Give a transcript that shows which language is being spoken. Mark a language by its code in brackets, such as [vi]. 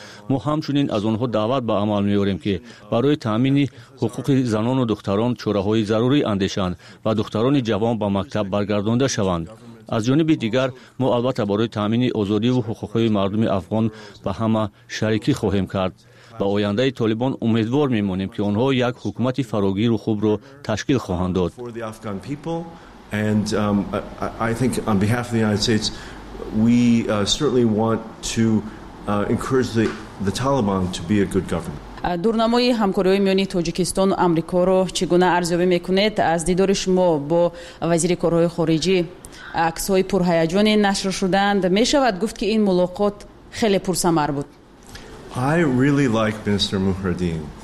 [tg] Мо ҳамчунин аз онҳо даъват ба амал меорем, ки барои таъмини ҳуқуқи занону духтарон чораҳои зарурӣ андешанд ва духтарони ҷавон ба мактаб баргардонда шаванд. [fa] از جانبی دیگر ما البته برای تامین آزادی و حقوق مردم افغان به همه شریکی خواهیم کرد. با آینده طالبان امیدوار میمانیم که آنها یک حکومت فراگیر و خوب را تشکیل خواهند داد. [en] And I think on behalf of the United States we certainly want to encourage the Taliban to be a good government. [fa] دورنمای همکاری میانی تاجیکستان و آمریکا را چگونه ارزیابی میکنید از دیدار شما با وزیر کارهای خارجی؟ عکس‌های پرهیجان نشر شدند. می‌شود گفت که این ملاقات خیلی پرثمر بود. [en] I really like Mr. Mohreddin.